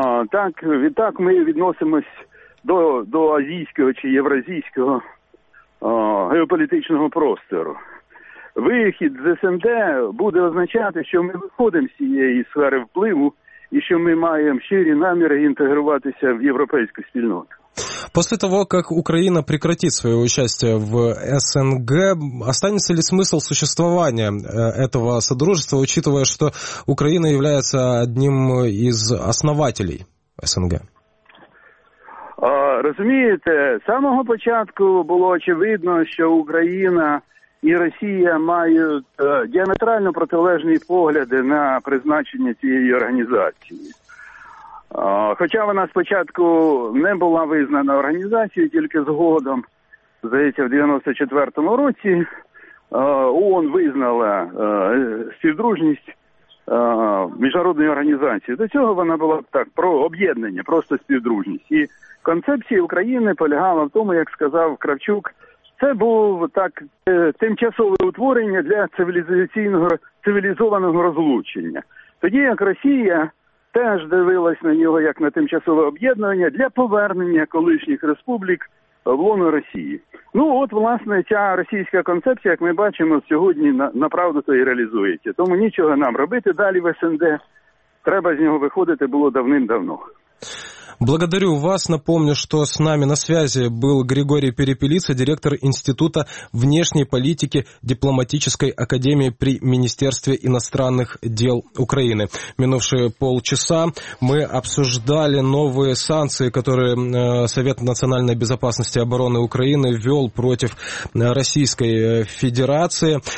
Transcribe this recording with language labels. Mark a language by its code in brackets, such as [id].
[uk] Так, відтак ми відносимось до азійського чи євразійського геополітичного простору. Вихід з СНД буде означати, що ми виходимо з цієї сфери впливу і що ми маємо щирі наміри інтегруватися в європейську спільноту. [ru] После того, как Украина прекратит свое участие в СНГ, останется ли смысл существования этого содружества, учитывая, что Украина является одним из основателей СНГ? [uk] розумієте, з самого початку було очевидно, що Україна і Росія мають діаметрально протилежні погляди на призначення цієї організації. Хоча вона спочатку не була визнана організацією, тільки згодом, здається, в 94-му році ООН визнала співдружність міжнародної організації. До цього вона була так, про об'єднання, просто співдружність. І концепція України полягала в тому, як сказав Кравчук, це був так тимчасове утворення для цивілізаційного цивілізованого розлучення. Тоді як Росія теж дивилась на нього як на тимчасове об'єднання для повернення колишніх республік в лоно Росії. Ну от, власне, ця російська концепція, як ми бачимо, сьогодні на правду то і реалізується. Тому нічого нам робити далі в СНД. Треба з нього виходити було давним-давно. [ru] Благодарю вас. Напомню, что с нами на связи был Григорий Перепелица, директор Института внешней политики Дипломатической академии при Министерстве иностранных дел Украины. Минувшие полчаса мы обсуждали новые санкции, которые Совет национальной безопасности и обороны Украины ввел против Российской Федерации.